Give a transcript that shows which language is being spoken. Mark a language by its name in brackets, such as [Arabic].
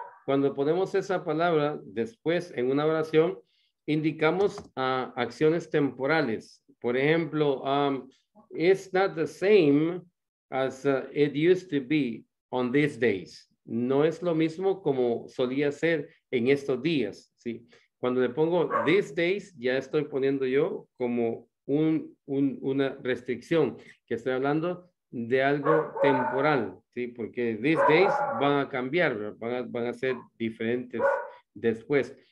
[Spanish] Cuando ponemos esa palabra después en una oración, indicamos acciones temporales. Por ejemplo, [English] it's not the same as it used to be on these days. [Spanish] No es lo mismo como solía ser en estos días, ¿sí? Cuando le pongo these days, ya estoy poniendo yo como una restricción, que estoy hablando de algo temporal, ¿sí? Porque these days van a cambiar, van a ser diferentes después.